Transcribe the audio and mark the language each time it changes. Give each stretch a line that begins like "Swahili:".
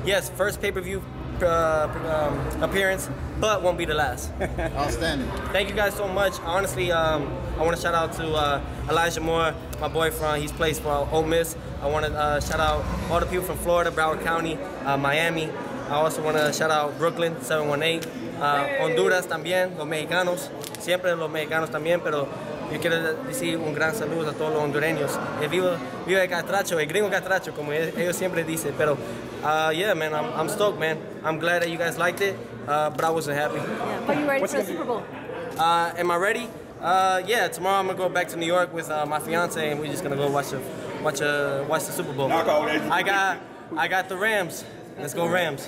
English: Yes, first pay-per-view appearance, but won't be the last. Outstanding. Thank you guys so much. Honestly, I want to shout out to Elijah Moore, my boyfriend. He's played for Ole Miss. I want to shout out all the people from Florida, Broward County, Miami. I also want to shout out Brooklyn, 718. Honduras
Spanish: también, los mexicanos. Siempre los mexicanos también, pero yo quiero decir un gran saludo a todos los hondureños. Vivo el catracho, el gringo catracho, como ellos siempre dicen.
English: Pero, yeah, man, I'm stoked, man. I'm glad that you guys liked it, but I wasn't happy. Yeah. Are you ready for the Super Bowl? Am I ready? Tomorrow I'm going to go back to New York with my fiance, and we're just going to go watch the Super Bowl. I got the Rams. Let's go Rams.